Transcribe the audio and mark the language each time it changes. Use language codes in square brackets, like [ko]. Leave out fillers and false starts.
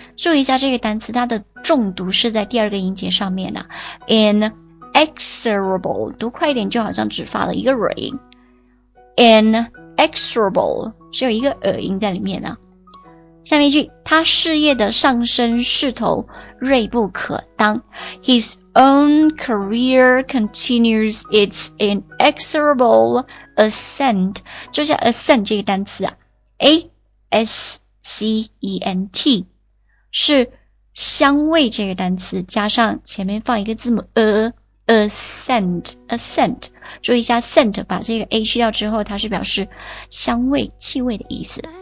[zh] 注意一下这个单词，它的重读是在第二个音节上面啊。 Inexorable, 读快一点就好像只发了一个尾音。 Inexorable, 是有一个耳音在里面啊。下面一句，他事业的上升势头锐不可当。 [en] His own career continues its inexorable ascent. [zh] 就像 ascent 这个单词啊， A-S-C-E-N-T 是相位这个单词，加上前面放一个字母 ascent， 注意一下 scent， 把这个 a 去掉之后，它是表示香味、气味的意思。